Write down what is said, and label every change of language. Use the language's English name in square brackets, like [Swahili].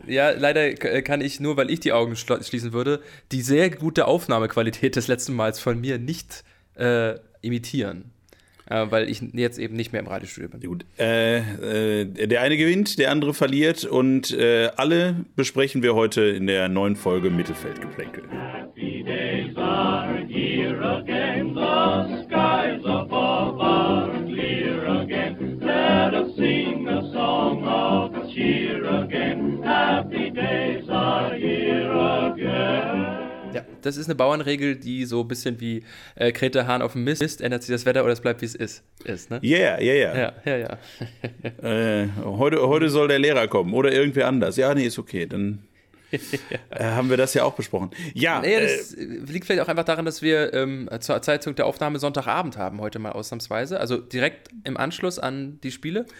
[German] Ja, leider kann ich nur, weil ich die Augen schließen würde, die sehr gute Aufnahmequalität des letzten Mals von mir nicht imitieren. Weil ich jetzt eben nicht mehr im Radiostudio bin. Gut. Der eine gewinnt, der andere verliert und alle besprechen wir heute in der neuen Folge Mittelfeldgeplänkel. [English] Happy days are here again, the skies above are clear again. Let us sing a song of cheer again. Happy days are here again. [German] Ja, das ist eine Bauernregel, die so ein bisschen wie Kreta Hahn auf dem Mist, ändert sich das Wetter oder es bleibt, wie es ist, ne? [English] Yeah, yeah, yeah. [German] Ja, ja, ja. Heute soll der Lehrer kommen oder irgendwer anders. Ja, nee, ist okay, dann haben wir das ja auch besprochen. Ja, naja, das liegt vielleicht auch einfach daran, dass wir zur Zeitpunkt der Aufnahme Sonntagabend haben heute mal ausnahmsweise, also direkt im Anschluss an die Spiele.